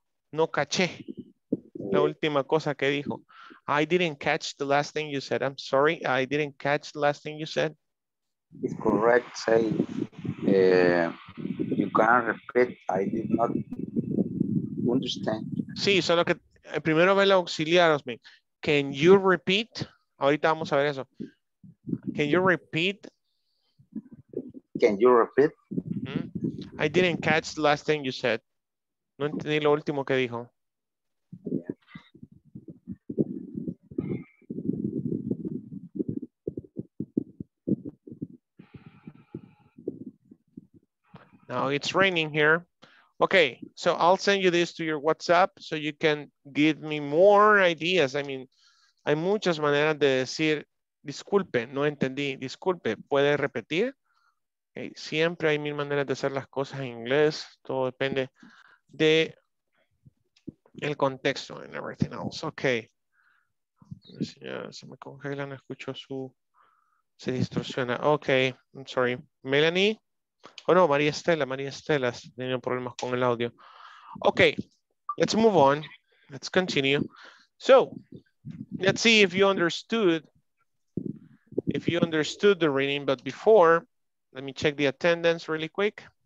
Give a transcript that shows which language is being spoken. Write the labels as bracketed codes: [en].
[es] No caché la última cosa que dijo. [en] I didn't catch the last thing you said. I'm sorry, I didn't catch the last thing you said. It's correct, say, you can repeat, I did not understand. [es] Sí, solo que primero ve la auxiliar, Osmin. [en] Can you repeat? [es] Ahorita vamos a ver eso. [en] Can you repeat? Can you repeat? Mm-hmm. I didn't catch the last thing you said. [es] No entendí lo último que dijo. [en] Now it's raining here. Okay, so I'll send you this to your WhatsApp so you can give me more ideas. I mean, [es] hay muchas maneras de decir, disculpe, no entendí, disculpe, ¿puede repetir? Okay. Siempre hay mil maneras de hacer las cosas en inglés. Todo depende de el contexto [en] and everything else. Okay. [es] Se me congela, no escucho su, se distorsiona. [en] Okay, I'm sorry. Melanie. [es] Oh no, María Estela está teniendo problemas con el audio. [en] Okay, let's move on. Let's continue. So, let's see if you understood the reading. But before, let me check the attendance really quick.